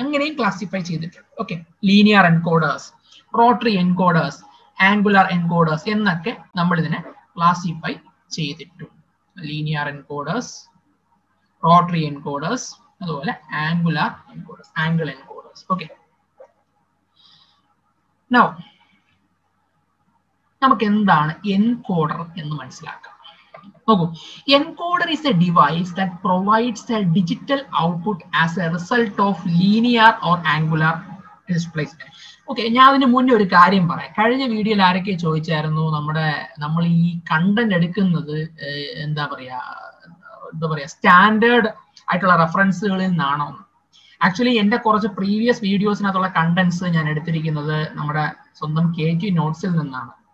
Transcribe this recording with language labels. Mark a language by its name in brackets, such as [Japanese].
[Malayalam] അങ്ങനെയും ക്ലാസിഫൈ ചെയ്തിട്ടുണ്ട്. Okay, linear encoders, rotary encoders, angular encoders എന്നൊക്കെ നമ്മൾ ഇതിനെ ക്ലാസിഫൈ ചെയ്തിട്ടുണ്ട്. ലീനിയർ എൻകോഡേഴ്സ്, റോട്ടറി എൻകോഡേഴ്സ്, അതുപോലെ angular encoders, angle encoders. Okay, now നമുക്ക് എന്താണ് എൻകോഡർ എന്ന് മനസ്സിലാക്കാം. [English] Encoder is a device that provides a digital output as a result of linear or angular displacement. [Malayalam] Okay, ഞാൻ അതിന് മുന്നേ ഒരു കാര്യം പറയാം. കഴിഞ്ഞ വീഡിയോയിൽ ആരൊക്കെ ചോദിച്ചായിരുന്നു നമ്മൾ ഈ കണ്ടന്റ് എടുക്കുന്നത് എന്താ പറയാ സ്റ്റാൻഡേർഡ് ആയിട്ടുള്ള റെഫറൻസുകളിൽ നിന്നാണോ? ആക്ച്വലി എന്റെ കുറച്ച് പ്രീവിയസ് വീഡിയോസിനകത്തുള്ള കണ്ടന്റ്സ് ഞാൻ എടുത്തിരിക്കുന്നത് നമ്മുടെ സ്വന്തം KTU നോട്ട്സിൽ നിന്നാണ്.